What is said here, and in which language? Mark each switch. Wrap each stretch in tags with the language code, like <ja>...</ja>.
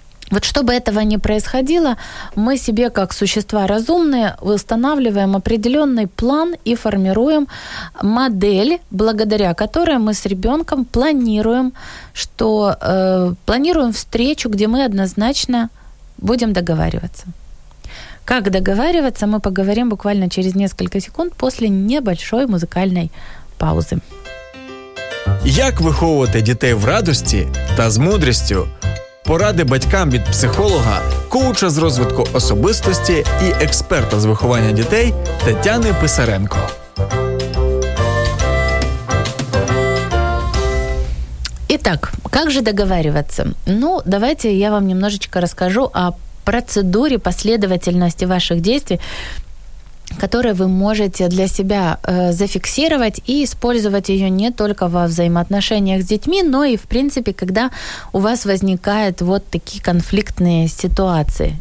<ru>Вот чтобы этого не происходило, мы себе, как существа разумные, устанавливаем определенный план и формируем модель, благодаря которой мы с ребенком планируем, что планируем встречу, где мы однозначно будем договариваться. Как договариваться, мы поговорим буквально через несколько секунд после небольшой музыкальной паузы.</ru> <uk>Як виховувати дітей в радості та з мудрістю? Поради батькам від психолога, коуча з розвитку особистості і експерта з виховання дітей Тетяни Писаренко.</uk> <ru>Итак, как же договариваться? Ну, давайте я вам немножечко расскажу о процедуре последовательности ваших действий, которые вы можете для себя зафиксировать и использовать ее не только во взаимоотношениях с детьми, но и, в принципе, когда у вас возникают вот такие конфликтные ситуации.</ru>